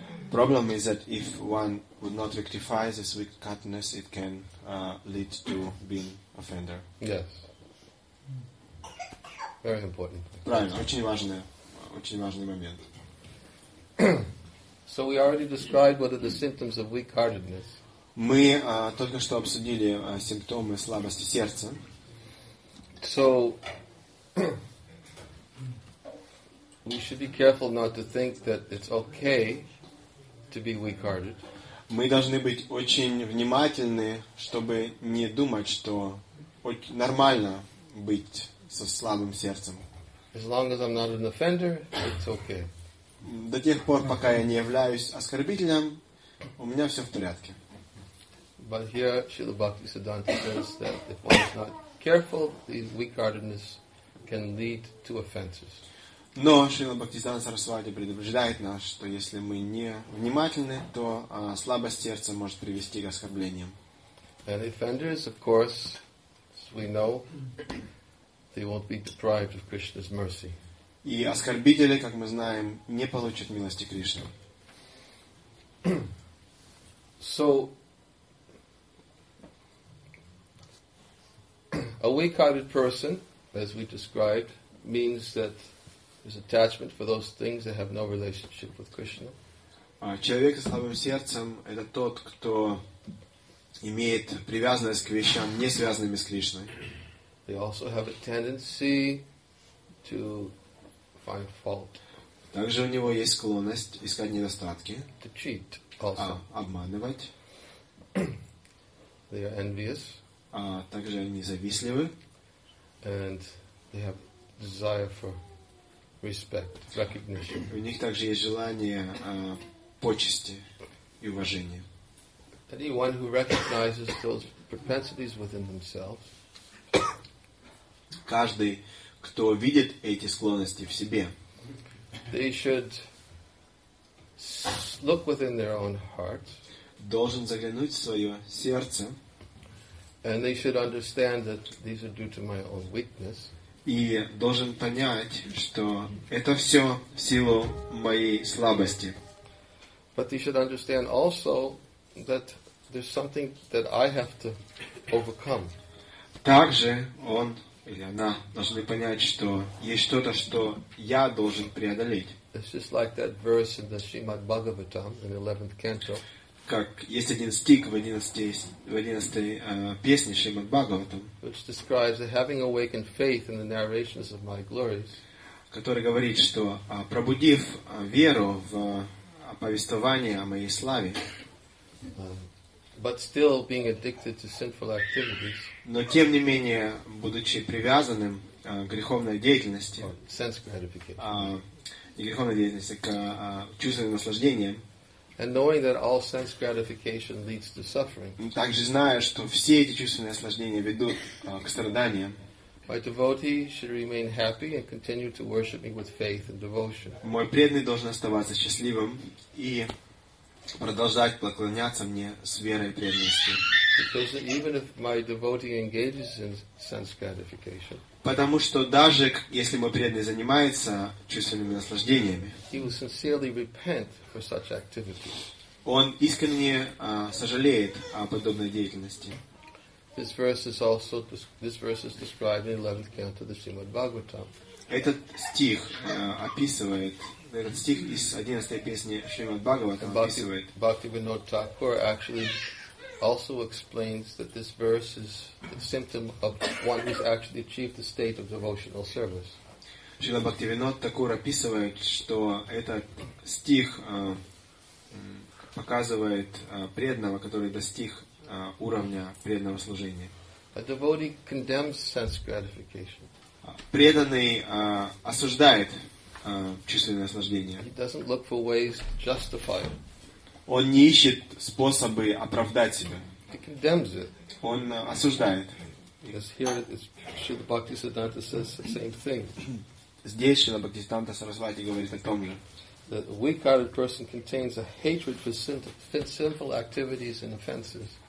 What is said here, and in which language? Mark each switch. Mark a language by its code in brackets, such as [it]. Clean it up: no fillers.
[en] Problem is that if one would not rectify this weak-heartedness, it can lead to being offender. Yes. Very important. [ru] Правильно, очень важный момент. [en] So we already described what are the symptoms of weak-heartedness. [ru] Мы только что обсудили симптомы слабости сердца. [en] So we should be careful not to think that it's okay to be weak-hearted. [ru] Мы должны быть очень внимательны, чтобы не думать, что нормально быть со слабым сердцем. [en] As long as I'm not an offender, it's okay. [ru] До тех пор, пока я не являюсь оскорбителем, у меня все в порядке. [en] But here Srila Bhakti Siddhanta says that if one is not careful, these weak-heartedness can lead to offenses. [ru] Но Шрила Бхактисиддханта Сарасвати предупреждает нас, что если мы не внимательны, то слабость сердца может привести к оскорблениям. [en] And offenders, of course, as we know, they won't be deprived of Krishna's mercy. [ru] И оскорбители, как мы знаем, не получат милости Кришны. [en] So a weak-hearted person, as we described, means that there's attachment for those things that have no relationship with Krishna. [ru] Человек со слабым сердцем – это тот, кто имеет привязанность к вещам, не связанным с Кришной. [en] They also have a tendency to find fault. [ru] Также у него есть склонность искать недостатки. [en] To cheat also. [ru] Обманывать. [en] They are envious. [ru] Также они завистливы. [en] And they have desire for respect, recognition. [ru] У них также есть желание почести и уважения. [en] Anyone who recognizes those propensities within themselves, [ru] каждый, кто видит эти склонности в себе, [en] they should look within their own heart, [ru] должен заглянуть в свое сердце, [en] and they should understand that these are due to my own weakness. [ru] И должен понять, что это все в силу моей слабости. [en] But they should understand also that there's something that I have to overcome. [ru] Также он или она должны понять, что есть что-то, что я должен преодолеть. [en] It's just like that verse in the Srimad Bhagavatam in the 11th canto. [ru] Как есть один стих в 11-й песне Шримад Бхагаватам, [en] which describes that having awakened faith in the narrations of my glories, [ru] который говорит, что пробудив веру в повествование о моей славе, [en] but still being addicted to sinful activities, [ru] но тем не менее будучи привязанным к греховной деятельности, [en] sense gratification, [ru] не греховной деятельности, к чувственным наслаждениям. [en] And knowing that all sense gratification leads to suffering. [ru] Также зная, что все эти чувственные наслаждения ведут к страданиям. [en] My devotee should remain happy and continue to worship me with faith and devotion. [ru] Мой преданный должен оставаться счастливым и продолжать поклоняться мне с верой и преданностью. [en] Because even if my devotee engages in sense gratification, [ru] потому что даже если мой преданный занимается чувственными наслаждениями, [en] he will sincerely repent for such activities. [ru] Он искренне сожалеет о подобной деятельности. [en] This verse is described in 11th canto of the Srimad Bhagavatam. [ru] Этот стих описывает, этот стих из 11-й песни Шримад Бхагаватам описывает. [en] Бхактивинода Тхакур actually also explains that this verse is the symptom of one who's actually achieved the state of devotional service. [ru] Шрила Бхактивинода Тхакур описывает, что этот стих показывает преданного, который достиг уровня преданного служения. [en] A devotee condemns sense gratification. [ru] Преданный осуждает чувственное наслаждение. [en] He doesn't look for ways to justify it. [ru] Он не ищет способы оправдать себя. [en] He condemns it. [ru] Он осуждает. [en] Because here Srila Bhaktisiddhanta says the same thing. [ru] Здесь Шрила Бхактисиддханта Сарасвати говорит о том же. [en] That a weak-hearted person contains a hatred for sinful activities and offenses.